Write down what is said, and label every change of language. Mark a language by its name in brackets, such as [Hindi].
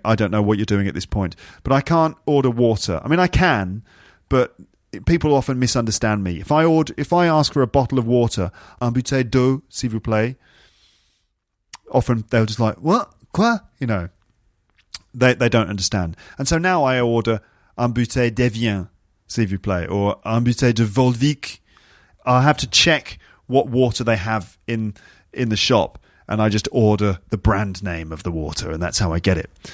[English] I don't know what you're doing at this point. But I can't order water. I mean, I can, but people often misunderstand me. If I ask for a bottle of water, [French] un bouteille d'eau, s'il vous plaît, [English] often they're just like, what? [French] Quoi? [English] You know, they don't understand. And so now I order [French] un bouteille d'Evian, s'il vous plaît, [English] or [French] un bouteille de Volvic. [English] I have to check what water they have in the shop, and I just order the brand name of the water, and that's how I get it.